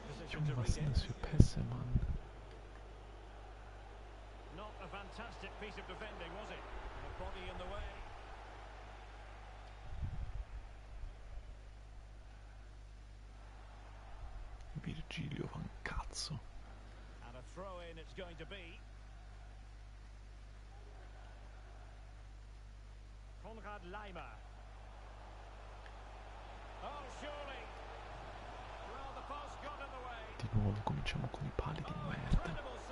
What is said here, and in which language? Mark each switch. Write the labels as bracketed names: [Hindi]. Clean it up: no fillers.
[German] Junge, was sind das für Pässe, Mann? [English] Fantastic piece of defending, was it? And a body in the way. [Italian] Virgilio van cazzo. [English] And a throw in it's going to be. Konrad Leimer. Oh, surely. Well, the pass got in the way. [Italian] Di nuovo cominciamo con i pali di merda.